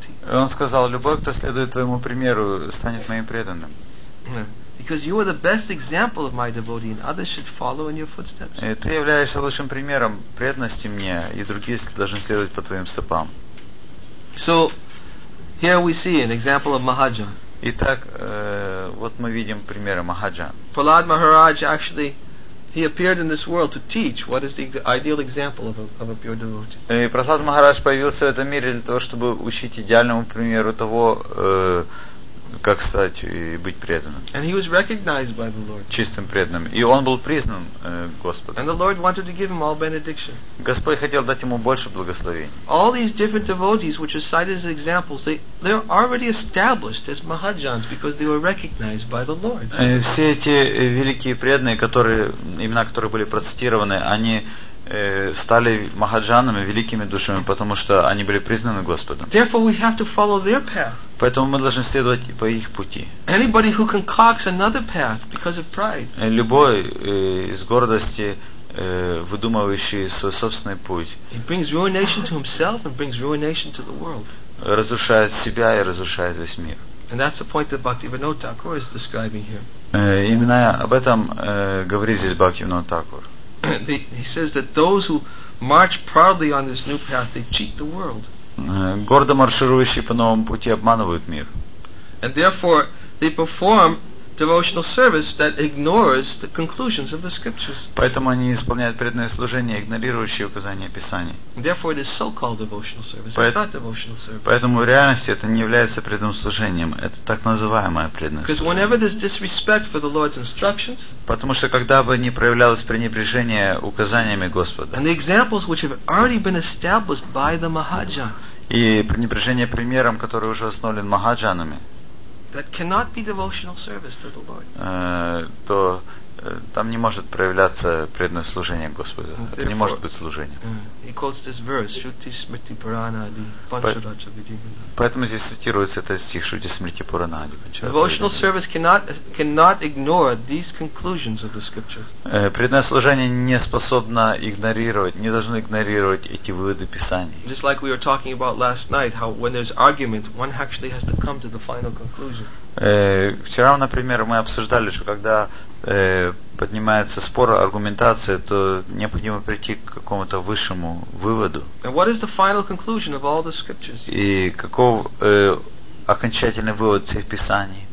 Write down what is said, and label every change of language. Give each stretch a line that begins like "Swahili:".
Russian: Он сказал, любой, кто следует твоему примеру, станет моим преданным.
English: Because you are the best example of my devotee, and others should follow in your footsteps.
Russian: Ты являешься лучшим примером преданности мне, и другие должны следовать по твоим стопам.
English: So here we see an example of Mahajan.
Russian: Итак, вот мы видим примеры Махаджа.
English: Prahlad Maharaj actually. He appeared in this world to teach what is the ideal example of a pure devotee.
Russian: И Прахлад Махарадж появился в этом мире для того, чтобы учить идеальному примеру того, как стать и быть преданным.
English: And he was recognized by the Lord.
Russian: Чистым преданным. И он был признан Господом.
English: And the Lord wanted to give him all benediction.
Russian: Господь хотел дать ему больше благословений.
English: All these different devotees, which are cited as examples, they're already established as Mahajans because they were recognized by the Lord.
Russian: Все эти великие преданные, которые имена которых были процитированы, они стали махаджанами, великими душами, потому что они были признаны Господом.
English: Therefore, we have to follow their path.
Russian: Поэтому мы должны следовать по их пути.
English: Anybody who concocts another path because of pride.
Russian: Любой из гордости, выдумывающий свой собственный путь.
English: He brings ruination to himself and brings ruination to the world.
Russian: Разрушает себя и разрушает весь мир.
English: And that's the point that Bhaktivinoda Thakur is describing here.
Russian: Именно об этом говорит здесь Бхактивинода Тхакур.
English: He says that those who march proudly on this new path, they cheat the world.
Russian: Гордо марширующие по новому пути обманывают мир.
English: And therefore, they perform devotional service that ignores the conclusions of the scriptures.
Russian: Поэтому они исполняют преданное служение, игнорирующее указания Писаний.
English: Therefore, it is so-called devotional service. It's not devotional service.
Russian: Поэтому в реальности это не является преданным служением. Это так называемое преданное служение.
English: Because whenever there's disrespect for the Lord's instructions.
Russian: Потому что когда бы не проявлялось пренебрежение указаниями Господа.
English: And the examples which have already been established by the Mahajans.
Russian: И пренебрежение примером, который уже установлен Махаджанами.
English: That cannot be devotional service to the Lord.
Russian: То там не может проявляться преданное служение Господу.
English: And
Russian: это не может быть служением.
English: He quotes this verse, Shruti Smriti Purana Adi, Pancharatra Vidhi.
Russian: Поэтому здесь цитируется этот стих Shruti Smriti Purana Adi.
English: Devotional service cannot ignore these conclusions of the scripture.
Russian: Преданное служение не способно игнорировать, не должно игнорировать эти выводы Писаний.
English: Just like we were talking about last night, how when there's argument, one actually has to come to the final conclusion.
Russian: Вчера, например, мы обсуждали, что когда поднимается спор, аргументация, то необходимо прийти к какому-то высшему выводу.
English: And what is the final conclusion of all the scriptures?
Russian: И каков окончательный вывод всех писаний?